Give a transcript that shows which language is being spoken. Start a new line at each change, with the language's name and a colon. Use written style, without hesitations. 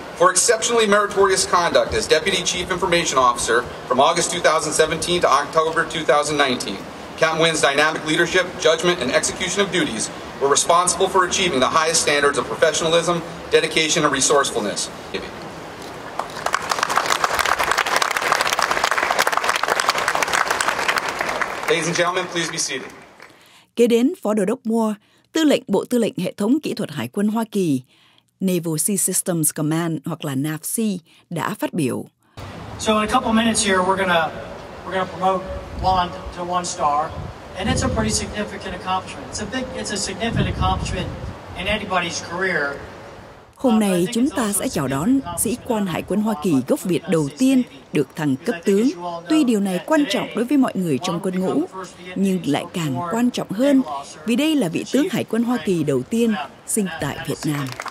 English: For exceptionally meritorious conduct as Deputy Chief Information Officer from August 2017 to October 2019, Captain Nguyen's dynamic leadership, judgment, and execution of duties were responsible for achieving the highest standards of professionalism, dedication, and resourcefulness. Ladies and gentlemen, please be seated.
Vietnamese: Kế đến Phó Đô đốc Moore, Tư lệnh Bộ Tư lệnh Hệ thống Kỹ thuật Hải quân Hoa Kỳ, Naval Sea Systems Command hoặc là NAVSEA đã phát biểu.
English: So in a couple minutes here, we're gonna promote Juan to one star, and it's a pretty significant accomplishment. It's a significant accomplishment in anybody's career.
Vietnamese: Hôm nay chúng ta sẽ chào đón sĩ quan Hải quân Hoa Kỳ gốc Việt đầu tiên được thăng cấp tướng. Tuy điều này quan trọng đối với mọi người trong quân ngũ, nhưng lại càng quan trọng hơn vì đây là vị tướng Hải quân Hoa Kỳ đầu tiên sinh tại Việt Nam.